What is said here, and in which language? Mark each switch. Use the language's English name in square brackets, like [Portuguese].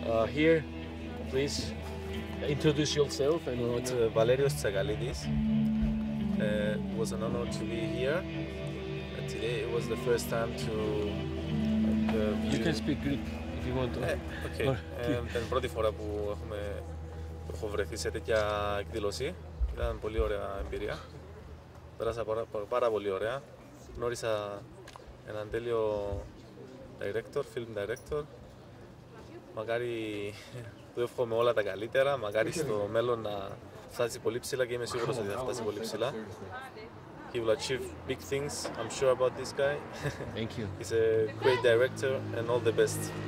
[English] Here, please introduce yourself. And you know, it's Valerios Tsagalidis. It was an honor to be here. It was the first time to. You can speak Greek if you want to. Okay. [Greek] Την πρώτη φορά που έχω βρεθεί σε τέτοια εκδήλωση, ήταν πολύ ωραία εμπειρία. Πέρασα πάρα πολύ ωραία. Γνώρισα έναν τέλειο director, [English] film director. [Greek] Μακάρι του εύχομαι όλα τα καλύτερα. Μακάρι στο μέλλον να φτάσει πολύ ψηλά και είμαι σίγουρος ότι θα φτάσει πολύ ψηλά. [English] He will achieve big things, I'm sure about this guy. Thank you. He's a great director and all the best.